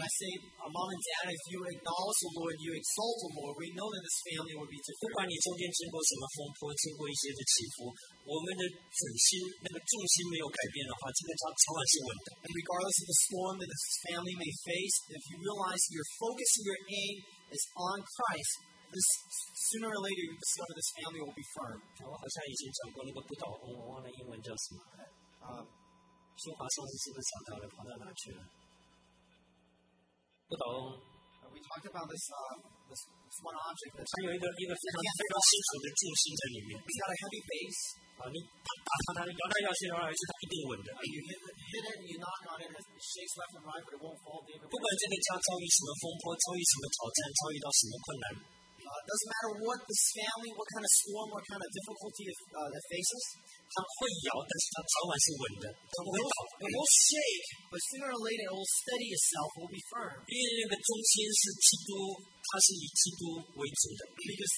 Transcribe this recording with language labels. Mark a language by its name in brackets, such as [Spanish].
[English] I say, our mom and dad, if you acknowledge the Lord, you exalt the Lord, we know that this family would be different. [Chinese] 不管你中间经过什么风波，经过一些的起伏，我们的重心没有改变的话，这个差距是稳的。And [English] regardless of the storm that this family may face, if you realize your focus and your aim is on Christ, this sooner or later you discover this family will be firm. [Chinese] 我好像以前讲过那个不倒翁，我忘了英文叫什么。 [English] We talked about this, this one object. [Chinese] 它有一个非常非常清楚的重心在里面。 [English] It's got a heavy base. [Chinese] 你打它摇来摇去的话，它一定稳的。 [English] You hit it, you knock on it, it shakes left and right, but it won't fall. [Chinese] 不管这个家遭遇什么风波，遭遇什么挑战，遭遇到什么困难。 [English] Doesn't matter what this family, what kind of storm, what kind of difficulty it faces. [Chinese] 它会摇，但是它早晚是稳的，它不会倒。 [English] It will shake, but sooner or later it will steady itself. It will be firm. [Chinese] 因为那个中心是基督，它是以基督为主的。Because